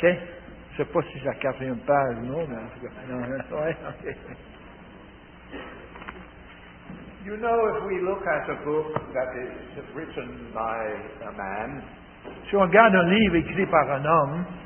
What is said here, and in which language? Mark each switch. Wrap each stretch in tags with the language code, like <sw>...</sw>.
<fr>Je ne sais pas si c'est la quatrième page ou non, mais en tout cas,</fr> <en>You know, if we look at a book that is written by a man,</en> <fr>si on regarde un livre écrit par un homme,</fr>